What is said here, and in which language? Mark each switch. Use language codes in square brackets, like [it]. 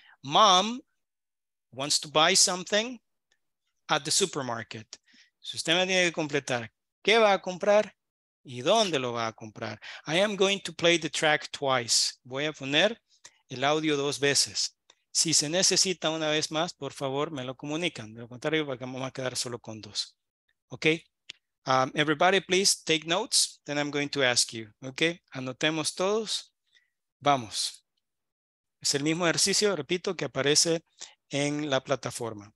[en] Mom wants to buy something at the supermarket. [es] Su sistema tiene que completar. ¿Qué va a comprar y dónde lo va a comprar? [en] I am going to play the track twice. [es] Voy a poner el audio dos veces. Si se necesita una vez más, por favor, me lo comunican. De lo contrario, vamos a quedar solo con dos. [en] Ok. Everybody, please take notes. Then I'm going to ask you. Ok. [es] Anotemos todos. Vamos. Es el mismo ejercicio, repito, que aparece en la plataforma.